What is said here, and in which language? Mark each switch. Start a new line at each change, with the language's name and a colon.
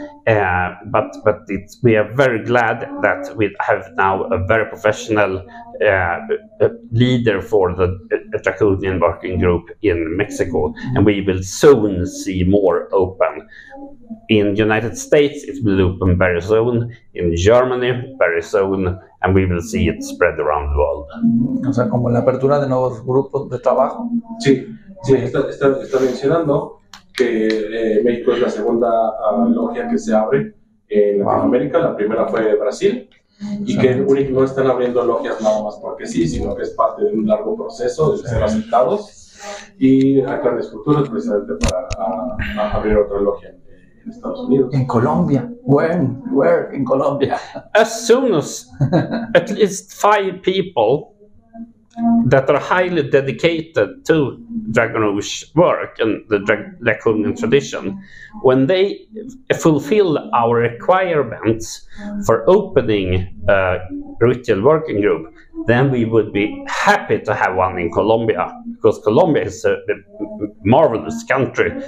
English: But it's, we are very glad that we have now a very professional leader for the draconian working group in Mexico, and we will soon see more open in the United States. It will open very soon in Germany, very soon, and we will see it spread around the world.
Spanish: O sea, como la apertura de nuevos grupos de trabajo. Sí, sí. Está mencionando que México es la segunda logia que se abre en Latinoamérica. Wow. La primera fue Brasil. Y que no están abriendo logias nada más porque sí, sino que es parte de un largo proceso de ser aceptados. Y hay planes futuros precisamente para abrir otra logia en Estados Unidos. En Colombia.
English: Where in Colombia? As soon as at least 5 people that are highly dedicated to Dragon Rouge work and the draconian tradition, when they fulfill our requirements for opening a ritual working group, then we would be happy to have one in Colombia, because Colombia is a marvelous country.